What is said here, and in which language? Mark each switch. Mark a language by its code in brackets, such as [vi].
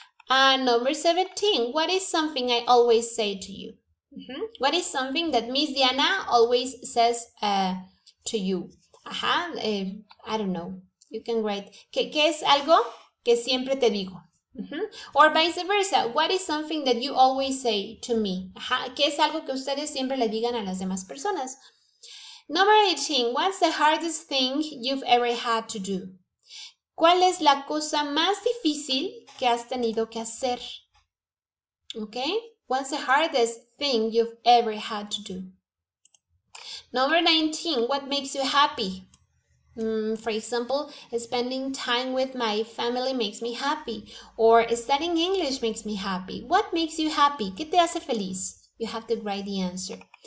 [en] Number 17, what is something I always say to you? What is something that Miss Diana always says to you? I don't know. You can write, [es] ¿qué es algo que siempre te digo? [en] Or vice versa, what is something that you always say to me? [es] ¿Qué es algo que ustedes siempre le digan a las demás personas? [en] Number 18, what's the hardest thing you've ever had to do? [es] ¿Cuál es la cosa más difícil que has tenido que hacer? [en] Okay? What's the hardest thing you've ever had to do? Number 19, what makes you happy? For example, spending time with my family makes me happy, or studying English makes me happy. What makes you happy? [es] ¿Qué te hace feliz? [en] You have to write the answer.